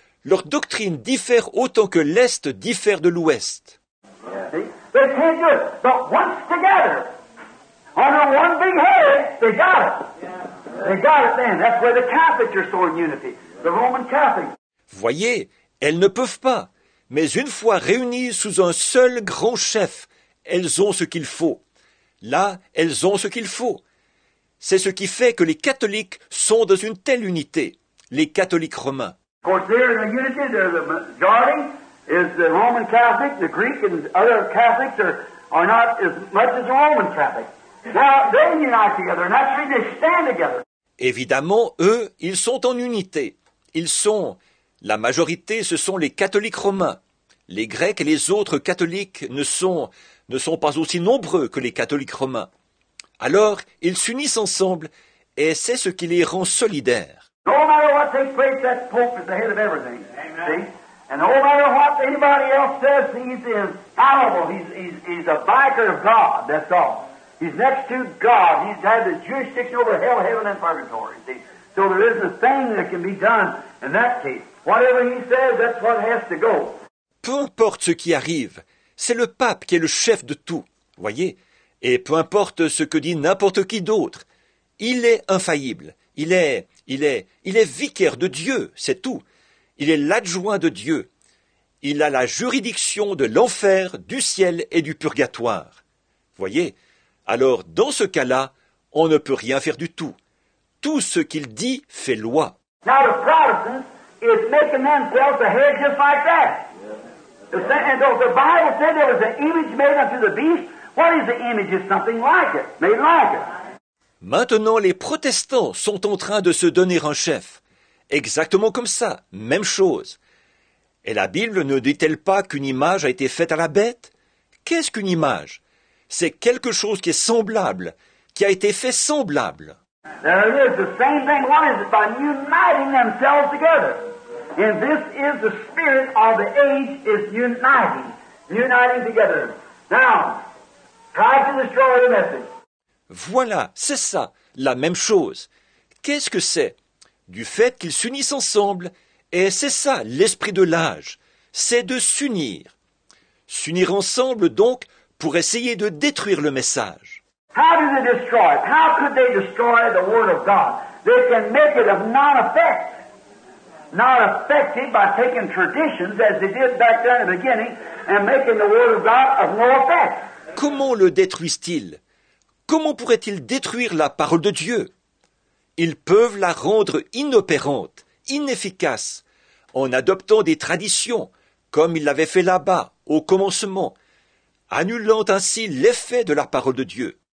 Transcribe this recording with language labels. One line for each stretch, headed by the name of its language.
French: Leur doctrine diffère autant que l'Est diffère de l'Ouest.
English: They can't do it. But once together, under one big head, they got it. They got it then. That's where the Catholics are so in unity. The Roman Catholics.
French: Voyez, elles ne peuvent pas. Mais une fois réunies sous un seul grand chef, elles ont ce qu'il faut. Là, elles ont ce qu'il faut. C'est ce qui fait que les catholiques sont dans une telle unité, les catholiques romains.
English: Of course, they're in a unity. The majority is the Roman Catholic. The Greek and other Catholics are not as much as the Roman Catholic. Now, they unite together. Naturally, they stand together.
French: Évidemment, eux, ils sont en unité. Ils sont... La majorité, ce sont les catholiques romains. Les Grecs et les autres catholiques ne sont pas aussi nombreux que les catholiques romains. Alors, ils s'unissent ensemble et c'est ce qui les rend solidaires.
English: No matter what takes place, that Pope is the head of everything. See? And no matter what anybody else says, he's infallible. He's a vicar of God, that's all. He's next to God. He's had the jurisdiction over hell, heaven, and purgatory. See? So there isn't a thing that can be done in that case. Whatever he says, that's what has to go.
French: Peu importe ce qui arrive, c'est le pape qui est le chef de tout, voyez. Et peu importe ce que dit n'importe qui d'autre, il est infaillible. Il est vicaire de Dieu, c'est tout. Il est l'adjoint de Dieu. Il a la juridiction de l'enfer, du ciel et du purgatoire. Voyez. Alors, dans ce cas-là, on ne peut rien faire du tout. Tout ce qu'il dit fait loi.
English: Now, the Protestant is making themselves a head just like that. And the Bible said there was an image made unto the beast. What is the image? It's something like it, made like it.
French: Maintenant, les protestants sont en train de se donner un chef. Exactement comme ça, même chose. Et la Bible ne dit-elle pas qu'une image a été faite à la bête? Qu'est-ce qu'une image? C'est quelque chose qui est semblable, qui a été fait semblable.
English: There is the same thing. What is it? By uniting themselves together. And this is the spirit of the age, is uniting together. Now, try to destroy the message.
French: Voilà, c'est ça, la même chose. Qu'est-ce que c'est? Du fait qu'ils s'unissent ensemble, et c'est ça, l'esprit de l'âge, c'est de s'unir. S'unir ensemble, donc, pour essayer de détruire le message.
English: How do they destroy it? How could they destroy the word of God? They can make it of non-effect. Not effective by taking traditions, as they did back then in the beginning, and making the word of God of no effect.
French: Comment le détruisent-ils? Comment pourraient-ils détruire la parole de Dieu? Ils peuvent la rendre inopérante, inefficace, en adoptant des traditions, comme ils l'avaient fait là-bas, au commencement, annulant ainsi l'effet de la parole de Dieu.